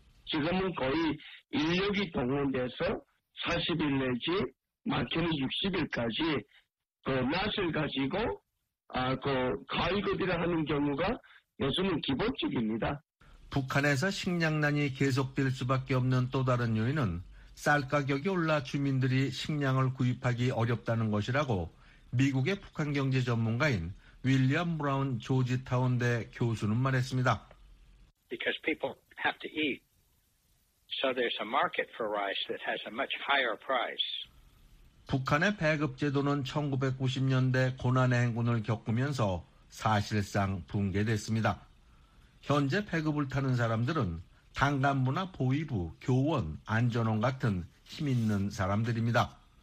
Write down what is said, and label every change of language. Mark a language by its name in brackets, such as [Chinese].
[Korean] 지금은 거의 인력이 동원돼서 40일 내지 많게는 60일까지 그 낫을 가지고 그 가위급이라 하는 경우가 요즘은 기본적입니다. 북한에서 식량난이 계속될 수밖에 없는 또 다른 요인은 쌀 가격이 올라 주민들이 식량을 구입하기 어렵다는 것이라고 미국의 북한 경제 전문가인 윌리엄 브라운 조지타운대 교수는 말했습니다. [English] Because people have to eat, so there's a market for rice that has a much higher price. [Korean] 북한의 배급 제도는 1990년대 고난의 행군을 겪으면서 사실상 붕괴됐습니다. 현재 배급을 타는 사람들은 당간부나 보위부, 교원, 안전원 같은 힘 있는 사람들입니다.